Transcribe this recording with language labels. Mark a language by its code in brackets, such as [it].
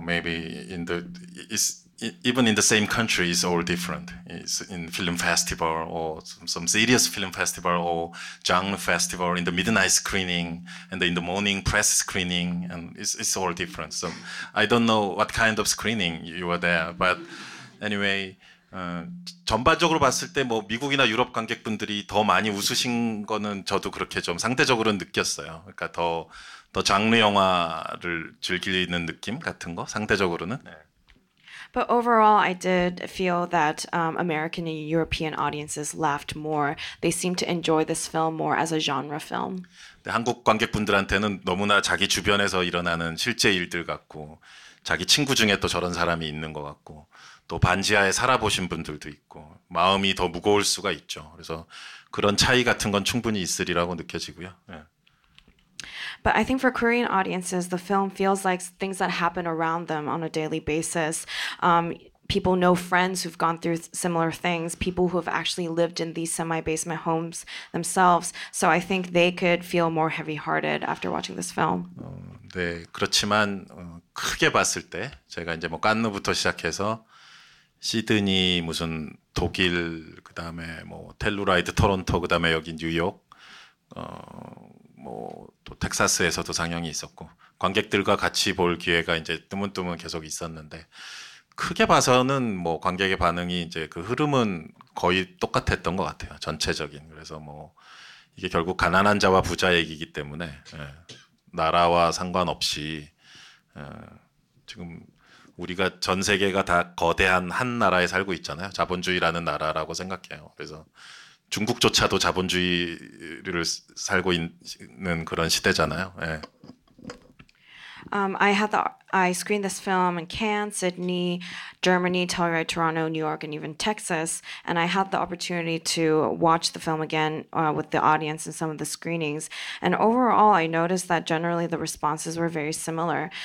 [en] Maybe in the even in the same country, it's all different. It's in film festival or some serious film festival or genre festival, in the midnight screening and in the morning press screening, and it's all different. So I don't know what kind of screening you were there, but anyway. [ko] 전반적으로 봤을 때 뭐 미국이나 유럽 관객분들이 더 많이 웃으신 거는 저도 그렇게 좀 상대적으로 느꼈어요. 그러니까 더 장르 영화를 즐기는 느낌 같은 거 상대적으로는. [en] But overall, I did feel that American and European audiences laughed more. They seemed to enjoy this film more as a genre film. [ko] 근데 한국 관객분들한테는 너무나 자기 주변에서 일어나는 실제 일들 같고 자기 친구 중에 또 저런 사람이 있는 것 같고. 또 반지하에 살아보신 분들도 있고 마음이 더 무거울 수가 있죠. 그래서 그런 차이 같은 건 충분히 있으리라고 느껴지고요. 예. [en] But I think for Korean audiences, the film feels like things that happen around them on a daily basis. People know friends who've gone through similar things, people who have actually lived in these semi-basement homes themselves. So I think they could feel more heavy-hearted after watching this film. [ko] 네, 그렇지만 크게 봤을 때 제가 이제 뭐 깐느부터 시작해서 시드니, 무슨 독일, 그 다음에 뭐 텔루라이드, 토론토, 그 다음에 여기 뉴욕, 뭐 또 텍사스에서도 상영이 있었고 관객들과 같이 볼 기회가 이제 뜨문뜨문 계속 있었는데 크게 봐서는 뭐 관객의 반응이 이제 그 흐름은 거의 똑같았던 것 같아요. 전체적인. 그래서 뭐 이게 결국 가난한 자와 부자 얘기이기 때문에 예, 나라와 상관없이 예, 지금 우리가 전 세계가 다 거대한 한 나라에 살고 있잖아요. 자본주의라는 나라라고 생각해요. 그래서 중국조차도 자본주의를 살고 있는 그런 시대잖아요. 예. [en] I screened this film in Cannes, Sydney, Germany, Telluride, Toronto, New York, and even Texas. And I had the opportunity to watch the film again with the audience in some of the screenings. And overall, I noticed that generally the responses were very similar.